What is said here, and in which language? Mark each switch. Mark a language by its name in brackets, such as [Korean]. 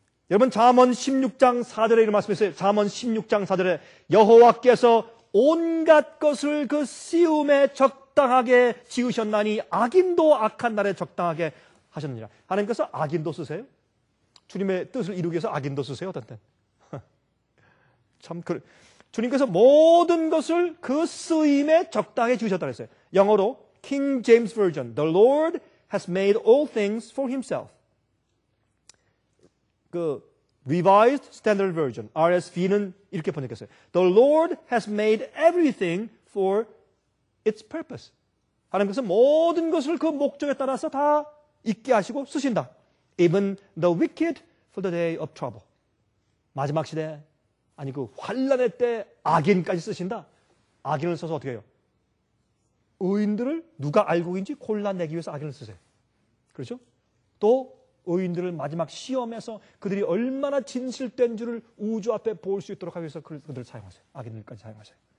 [Korean] 여러분 잠언 16장 4절에 이런 말씀이 있어요. 잠언 16장 4절에 여호와께서 온갖 것을 그 씨움에 적당하게 지으셨나니 악인도 악한 날에 적당하게 하셨느니라. 하나님께서 악인도 쓰세요? 주님의 뜻을 이루기 위해서 악인도 쓰세요? 어떤 때 참 그 주님께서 모든 것을 그 쓰임에 적당히 지으셨다고 했어요. 영어로 [English] King James Version, The Lord has made all things for himself. [Korean] 그 Revised Standard Version, RSV는 이렇게 번역했어요. [English] The Lord has made everything for its purpose. [Korean] 하나님께서 모든 것을 그 목적에 따라서 다 있게 하시고 쓰신다. [English] Even the wicked for the day of trouble. [Korean] 마지막 시대에 아니 그 환란의 때 악인까지 쓰신다. 악인을 써서 어떻게 해요? 의인들을 누가 알고 있는지 골라내기 위해서 악인을 쓰세요. 그렇죠? 또 의인들을 마지막 시험해서 그들이 얼마나 진실된 줄을 우주 앞에 볼 수 있도록 하기 위해서 그들을 사용하세요. 악인들까지 사용하세요.